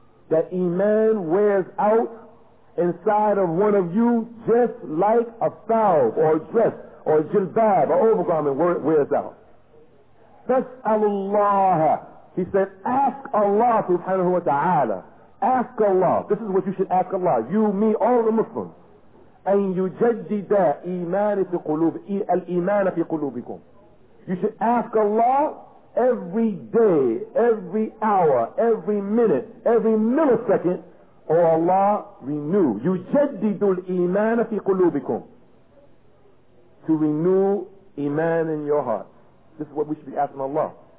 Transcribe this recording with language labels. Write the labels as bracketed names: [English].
[English] That iman wears out inside of one of you, just like a thawb or a dress or jilbab, or overgarment, wears out. Fas'alullah. He said, ask Allah subhanahu wa ta'ala. Ask Allah. This is what you should ask Allah. You, me, all the Muslims. [Arabic] أن يجدد إيمان في قلوب الإيمان في قلوبكم. [English] You should ask Allah every day, every hour, every minute, every millisecond, or Allah renew. [Arabic] يجدد الإيمان في قلوبكم. [English] To renew إيمان in your heart. This is what we should be asking Allah.